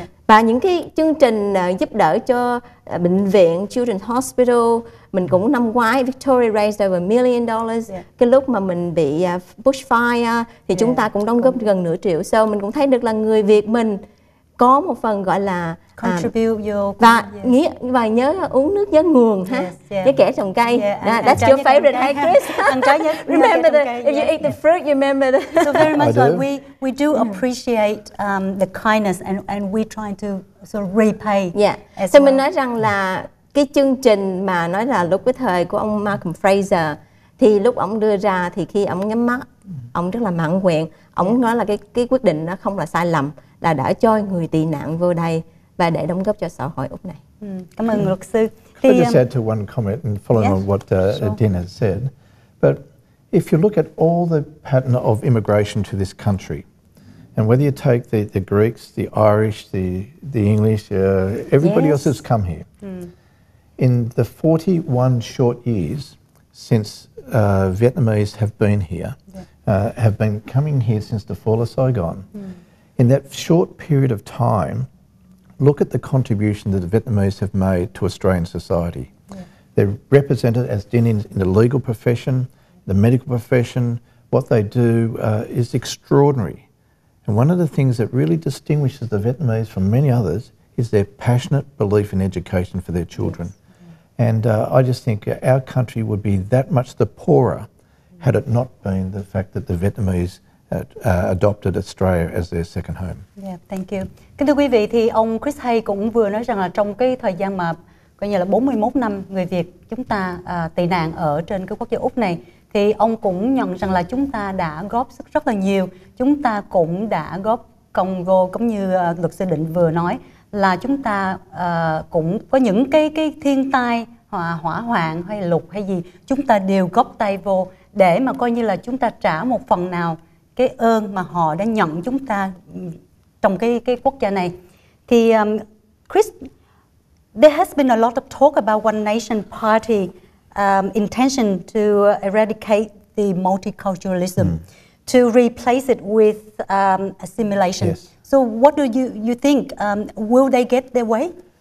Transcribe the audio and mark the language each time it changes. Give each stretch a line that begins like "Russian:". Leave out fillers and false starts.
Vietnamese: Và những cái chương trình giúp đỡ cho bệnh viện, Children's Hospital, mình cũng năm ngoái Victoria
English: raised over $1 million.
Vietnamese: Cái lúc mà mình bị bushfire thì chúng ta cũng đóng góp gần nửa triệu. So mình cũng thấy được là người Việt mình có một phần gọi là
English: contribute
Vietnamese: và nhớ uống nước nhớ nguồn ha, với kẻ trồng cây.
English: That's your favorite, hey Chris. Remember the if you eat the fruit, you remember the. So very much like we do appreciate the kindness and we try to sort of repay.
Vietnamese: So mình nói rằng là cái chương trình mà nói là lúc cái thời của ông Malcolm Fraser, thì lúc ông đưa ra thì khi ông nhắm mắt, ông rất là mãn nguyện. Ông nói là cái quyết định nó không là sai lầm, là đã cho người tị nạn vô đây và để đóng góp cho xã hội Úc này. Cảm ơn luật sư.
English: Could I just add to one comment and following on what Dean has said? But if you look at all the pattern of immigration to this country, and whether you take the Greeks, the Irish, the English, everybody else has come here. In the 41 short years since Vietnamese have been here, have been coming here since the fall of Saigon, in that short period of time, look at the contribution that the Vietnamese have made to Australian society. They're represented as in the legal profession, the medical profession. What they do is extraordinary. And one of the things that really distinguishes the Vietnamese from many others is their passionate belief in education for their children. And I just think our country would be that much the poorer had it not been the fact that the Vietnamese adopted Australia as their second home. Yeah, thank you.
Vietnamese: Kính thưa quý vị, thì ông Chris Hay cũng vừa nói rằng là trong cái thời gian mà coi như là 41 năm người Việt chúng ta tị nạn ở trên cái quốc gia Úc này, thì ông cũng nhận rằng là chúng ta đã góp sức rất là nhiều. Chúng ta cũng đã góp công vô, cũng như luật sư Định vừa nói là chúng ta cũng có những cái thiên tai hỏa hoạn hay lụt hay gì, chúng ta đều góp tay vô để mà coi như là chúng ta trả một phần nào cái ơn mà họ đã nhận chúng ta trong cái quốc gia này.
English: Thì Chris, there has been a lot of talk about One Nation Party intention to eradicate the multiculturalism, to replace it with assimilation. So what do you think? Will they get their way?